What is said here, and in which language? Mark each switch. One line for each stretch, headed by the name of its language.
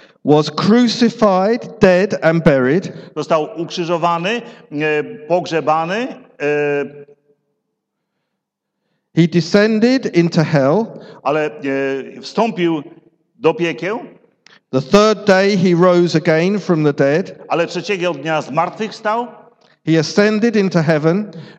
English: Was crucified, dead and buried.
Polish: Został ukrzyżowany, pogrzebany.
English: He descended into hell.
Polish: Ale wstąpił do piekieł.
English: The third day he rose again from the dead.
Polish: Ale trzeciego dnia zmartwychwstał.
English: He ascended into heaven.